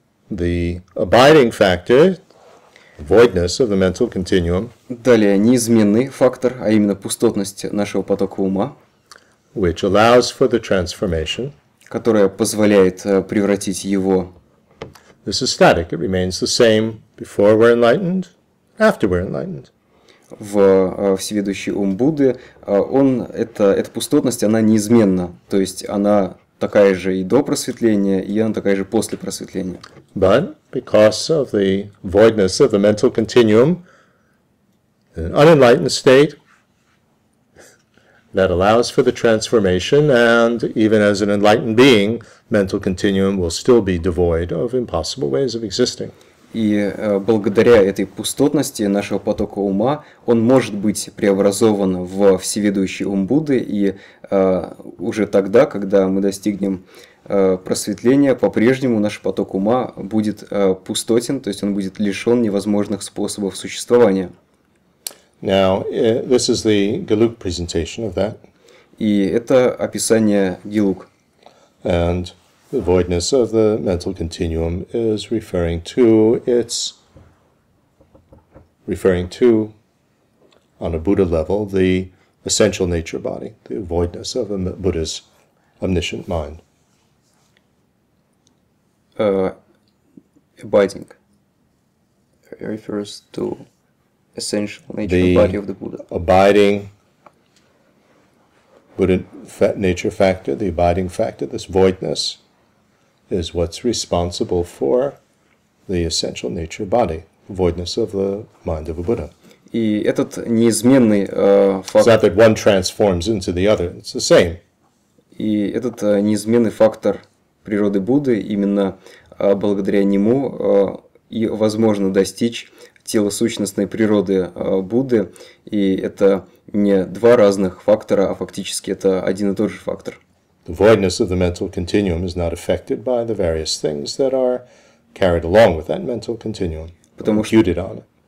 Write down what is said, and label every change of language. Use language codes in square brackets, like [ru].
[en] The abiding factor, voidness of the mental continuum. [ru] Далее неизменный фактор, а именно пустотность нашего потока ума. [en] Which allows for the transformation. [ru] Которая позволяет превратить его. [en] This is static. It remains the same before we're enlightened, after we're enlightened. [ru] В всеведущий ум Будды, он, эта пустотность, она неизменна, то есть она такая же и до просветления, и она такая же после просветления. [en] But because of the voidness of the mental continuum, an unenlightened state that allows for the transformation, and even as an enlightened being, mental continuum will still be devoid of impossible ways of existing. [ru] И благодаря этой пустотности нашего потока ума, он может быть преобразован в всеведущий ум Будды, и уже тогда, когда мы достигнем просветления, по-прежнему наш поток ума будет пустотен, то есть он будет лишен невозможных способов существования. [en] Now, this is the Gelug presentation of that. [ru] И это описание Гелуг. [en] And the voidness of the mental continuum is referring to its referring to on a Buddha level the essential nature body, the voidness of a Buddha's omniscient mind. Abiding. It refers to essential nature body of the Buddha. Abiding Buddha nature factor, the abiding factor, this voidness. Is what's responsible for the essential nature body, voidness of the mind of a Buddha. [ru] И этот неизменный фактор. [en] It's not that one transforms into the other. It's the same. [ru] И этот неизменный фактор природы Будды именно благодаря нему и возможно достичь телосущностной природы Будды. И это не два разных фактора, а фактически это один и тот же фактор. [en] The voidness of the mental continuum is not affected by the various things that are carried along with that mental continuum, imputed on it.